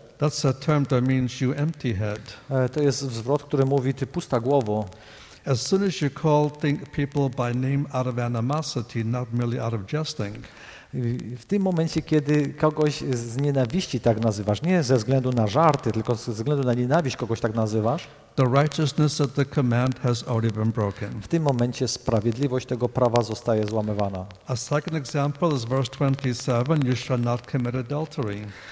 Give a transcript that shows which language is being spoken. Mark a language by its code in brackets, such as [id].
[en] that's a term that means you empty head. [pl] To jest zwrot, który mówi, ty pusta głowo. [en] As soon as you call people by name out of animosity, not merely out of jesting. [pl] W tym momencie, kiedy kogoś z nienawiści tak nazywasz, nie ze względu na żarty, tylko ze względu na nienawiść kogoś tak nazywasz, [en] the righteousness of the command has already been broken. [pl] W tym momencie sprawiedliwość tego prawa zostaje złamywana. [en] A second example is verse 27, you shall not commit adultery.